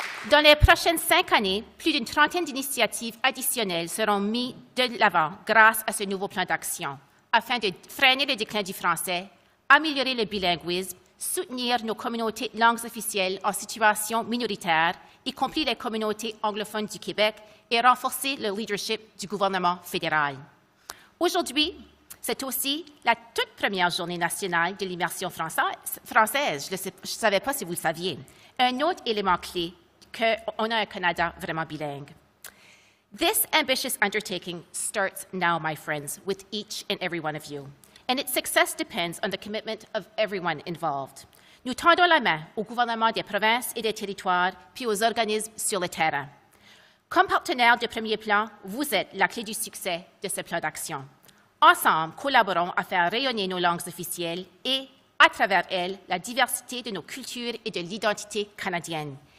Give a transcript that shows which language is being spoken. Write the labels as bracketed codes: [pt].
[fr] Dans les prochaines 5 années, plus d'une trentaine d'initiatives additionnelles seront mises de l'avant grâce à ce nouveau plan d'action, afin de freiner le déclin du français, améliorer le bilinguisme, soutenir nos communautés langues officielles en situation minoritaire, y compris les communautés anglophones du Québec, et renforcer le leadership du gouvernement fédéral. Aujourd'hui, c'est aussi la toute première journée nationale de l'immersion française. Je ne savais pas si vous le saviez. Un autre élément clé, qu'on a un Canada vraiment bilingue. [en] This ambitious undertaking starts now, my friends, with each and every one of you. And its success depends on the commitment of everyone involved. [fr] Nous tendons la main au gouvernement des provinces et des territoires, puis aux organismes sur le terrain. Comme partenaire de premier plan, vous êtes la clé du succès de ce plan d'action. Ensemble, collaborons à faire rayonner nos langues officielles et, à travers elles, la diversité de nos cultures et de l'identité canadienne.